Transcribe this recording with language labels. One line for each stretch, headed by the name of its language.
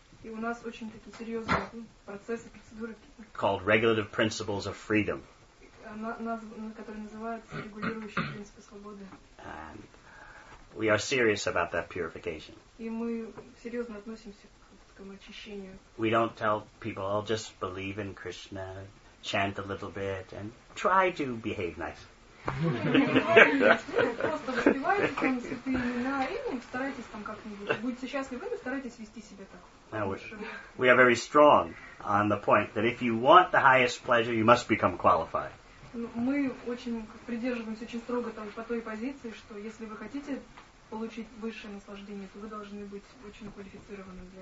Russian: И у нас очень такие серьезные процессы, процедуры.
English: Called regulative principles of freedom.
Russian: Которые называются регулирующие принципы свободы.
English: And we are serious about that purification.
Russian: И мы серьезно относимся к такому очищению.
English: We don't tell people, I'll just believe in Krishna, chant a little bit, and try to behave nice.
Russian: Просто воспевайте там святые имена и старайтесь там как-нибудь. Будьте счастливы, но старайтесь вести себя так.
English: Now we are very strong on the point that if you want the highest pleasure, you must become qualified.
Russian: Мы очень придерживаемся очень строго там по той позиции, что если вы хотите получить высшее наслаждение, то вы должны быть очень квалифицированы для этого.